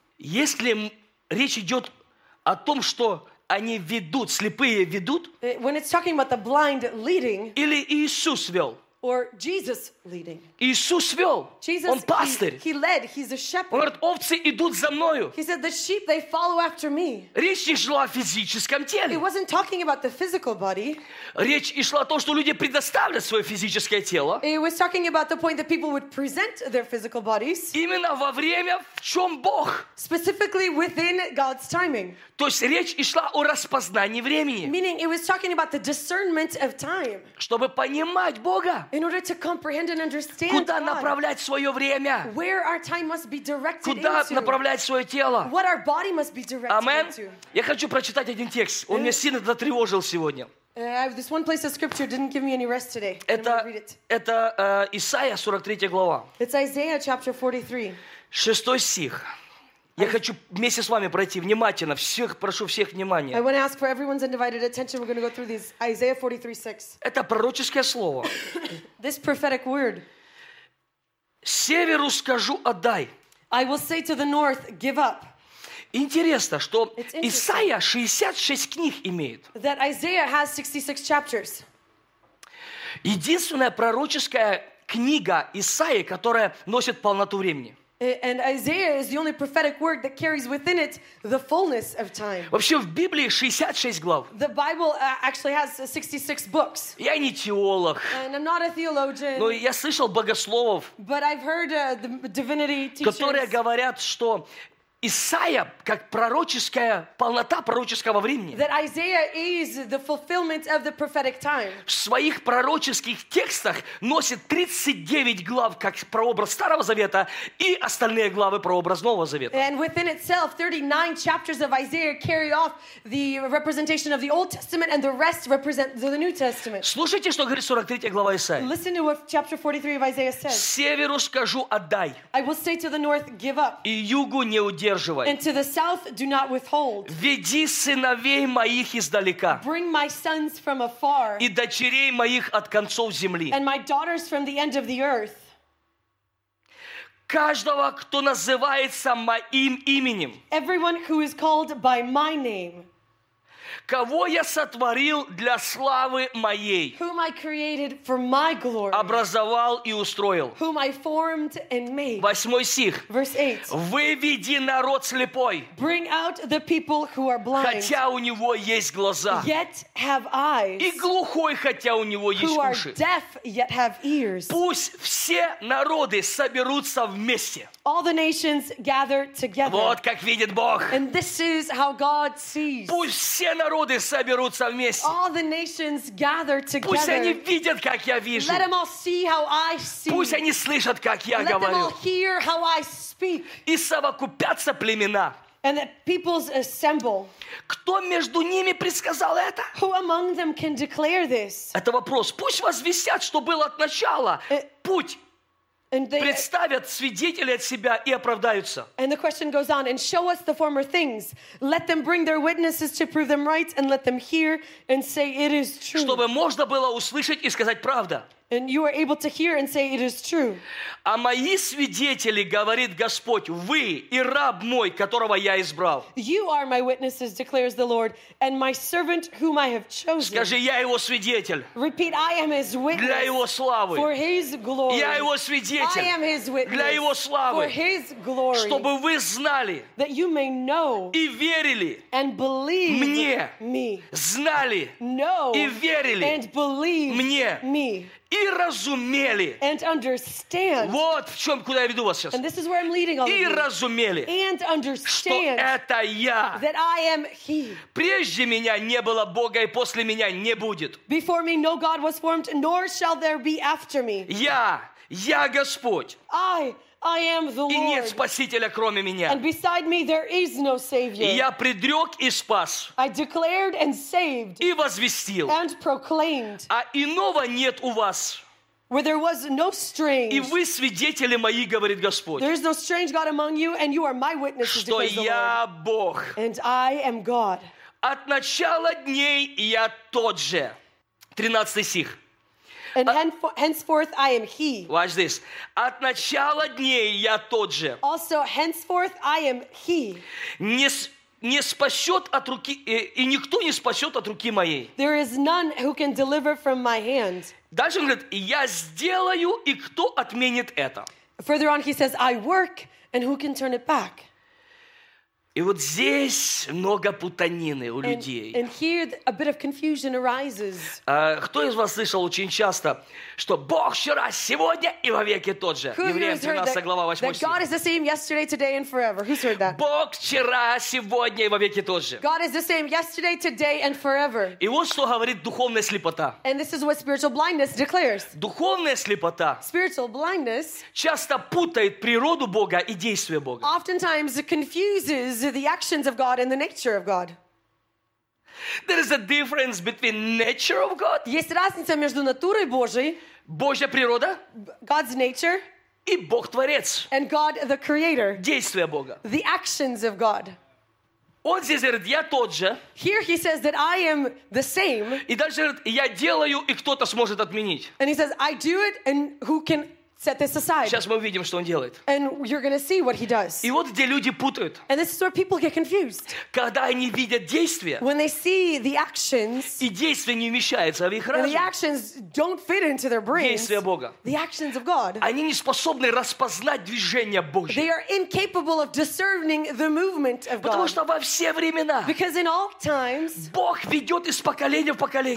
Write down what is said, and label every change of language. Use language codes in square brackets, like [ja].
[ru] Если речь идет о том, что они ведут, слепые ведут, [en] when it's talking about the blind leading, [ru] или Иисус вел, [en] or Jesus leading. [ru] Иисус вел. [en] Jesus, [ru] Он пастырь. [en] He led. He's a shepherd. [ru] Он говорит, овцы идут за мною. [en] He said, the sheep, they follow after me. [ru] Речь не шла о физическом теле. [en] It wasn't talking about the physical body. [ru] Речь шла о том, что люди предоставляют свое физическое тело. [en] It was talking about the point that people would present their physical bodies. [ru] Именно во время, в чем Бог. [en] Specifically within God's timing. [ru] То есть речь шла о распознании времени. [en] Meaning it was talking about the discernment of time. [ru] Чтобы понимать Бога. [en] In order to comprehend and understand [ru] куда [en] God, [ru] направлять свое время, [en] where our time must be directed [ru] куда [en] into, [ru] направлять свое тело, [en] what our body must be directed Amen. Into. [ru] Я хочу прочитать один текст. Он меня сильно затревожил сегодня. [en] This one place of scripture didn't give me any rest today. [ru] Это Исаия 43 глава. [en] It's Isaiah chapter 43. [ru] 6 стих. Я хочу вместе с вами пройти внимательно. Всех, прошу всех внимания. [en] I want to ask for everyone's undivided attention. We're going to go through these. Isaiah 43:6. [ru] Это пророческое слово. [en] This prophetic word. [ru] Северу скажу отдай. [en] I will say to the north, give up. [ru] Интересно, что Исаия 66 книг имеет. [en] That Isaiah has 66 chapters. [ru] Единственная пророческая книга Исаии, которая носит полноту времени. [en] And Isaiah is the only prophetic word that carries within it the fullness of time. [ru] Вообще в Библии 66 глав. [en] The Bible actually has 66 books. [ru] Я не теолог. [en] And I'm not a theologian. [ru] Но я слышал богословов. [en] But I've heard the divinity teachers. [ru] Которые говорят, что Исаия как пророческая полнота пророческого времени. [en] That Isaiah is the fulfillment of the prophetic time. [ru] В своих пророческих текстах носит 39 глав как прообраз Старого Завета и остальные главы прообраз Нового Завета. [en] And within itself, 39 chapters of Isaiah carry off the representation of the Old Testament and the rest represent the New Testament. [ru] Слушайте, что говорит 43 глава Исаии. [en] Listen to what chapter 43 of Isaiah says. [ru] Северу скажу отдай. [en] I will say to the north, give up. [ru] И югу не удерживай. [en] And to the south, do not withhold. [ru] Веди сыновей моих издалека. [en] Bring my sons from afar. [ru] И дочерей моих от концов земли. [en] And my daughters from the end of the earth. [ru] Каждого, кто называется моим именем. [en] Everyone who is called by my name. [ru] кого я сотворил для славы моей, [en] whom I created for my glory, [ru] образовал и устроил, [en] whom I formed and made. [ru] 8 стих. [en] Verse 8. [ru] Выведи народ слепой, [en] bring out the people who are blind, [ru] хотя у него есть глаза, [en] yet have eyes, [ru] и глухой, хотя у него есть уши, [en] who are deaf, yet have ears. [ru] Пусть все народы соберутся вместе. [en] All the nations gather together. [ru] Вот как видит Бог. [en] And this is how God sees. [ru] Пусть все народы соберутся вместе. [en] All the nations gather together. [ru] Пусть они видят, как я вижу. [en] Let them all see how I see. [ru] Пусть они слышат, как я [en] Let [ru] говорю. [en] Let them all hear how I speak. [ru] И совокупятся племена. [en] And that peoples assemble. [ru] Кто между ними предсказал это? [en] Who among them can declare this? [ru] Это вопрос. Пусть возвестят, что было от начала. Путь. [en] And they, [ru] представят свидетели от себя и оправдаются. [en] And the question goes on, and show us the former things. Let them bring their witnesses to prove them right, and let them hear and say it is true. [ru] Чтобы можно было услышать и сказать правда. [en] And you are able to hear and say it is true. [ru] А мои свидетели, говорит Господь, вы и раб мой, которого я избрал. [en] You are my witnesses, declares the Lord, and my servant whom I have chosen. [ru] Скажи, я его свидетель. [en] Repeat, I am his witness. [ru] Для его славы. [en] For his glory. [ru] Я его свидетель. [en] I am his witness. [ru] Для его славы. [en] For his glory. [ru] Чтобы вы знали. [en] That you may know. [ru] И верили. [en] And believe. [ru] Мне. [en] Me. [ru] Знали. [en] Know. [ru] И верили. [en] And believe. [ru] Мне. [en] Me. [ru] И разумели. [en] And understand. [ru] Вот в чем, куда я веду вас сейчас. [en] And this is where I'm leading all of you. [ru] И разумели. [en] And understand. [ru] Что это я. [en] That I am he. [ru] Прежде меня не было Бога, и после меня не будет. [en] Before me no God was formed, nor shall there be after me. [ru] Я Господь. [en] I am the Lord. [ru] И нет спасителя кроме меня. [en] And beside me there is no savior. [ru] И я предрек и спас. [en] I declared and saved. [ru] И возвестил. [en] And proclaimed. [ru] А иного нет у вас. [en] Where there was no strange. [ru] И вы свидетели мои, говорит Господь. [en] There is no strange God among you, and you are my witnesses, declares the Lord. [ru] Что я Бог. [en] And I am God. [ru] От начала дней я тот же. 13 стих. [en] And henceforth I am he. Watch this. [ru] От начала дней я тот же. [en] Also, henceforth I am he. [ru] Не спасет от руки, и никто не спасет от руки моей. [en] There is none who can deliver from my hand. [ru] Дальше он говорит, я сделаю, и кто отменит это? [en] Further on he says, I work, and who can turn it back? [ru] И вот здесь много путанины у людей. [en] And here a bit of confusion arises. [ru] Кто из вас слышал очень часто, что Бог вчера, сегодня и вовеки тот же? Евреям 13, глава 8 стих. [en] God is the same yesterday, today and forever. Who's heard that? [ru] Бог вчера, сегодня и вовеки тот же. [en] God is the same yesterday, today and forever. [ru] И вот что говорит духовная слепота. [en] And this is what spiritual blindness declares. [ru] Духовная слепота. [en] Spiritual blindness. [ru] Часто путает природу Бога и действия Бога. [en] Oftentimes it confuses the actions of God and the nature of God. There is a difference between nature of God. [ru] Есть разница между натурой Божией, Божья природа, [en] God's nature, [ru] и Бог Творец, [en] and God the Creator, [ru] действия Бога, [en] the actions of God. [ru] Он здесь говорит, я тот же. [en] Here he says that I am the same. [ru] И дальше говорит, я делаю, и кто-то сможет отменить. [en] And he says, I do it, and who can set this aside. [ru] Сейчас мы увидим, что он делает. [en] And you're going to see what he does. [ru] И вот где люди путают. [en] And this is where people get confused. [ru] Когда они видят действия. [en] When they see the actions. [ru] И действия не вмещаются в их разум. [en] And the actions don't fit into their brains. [ru] Действия Бога. [en] The actions of God. [ru] Они не способны распознать движение Божье. [en] They are incapable of discerning the movement of God. [ru] Потому что во все времена. [en] Because in all times. [ru] Бог ведет из поколения в поколение.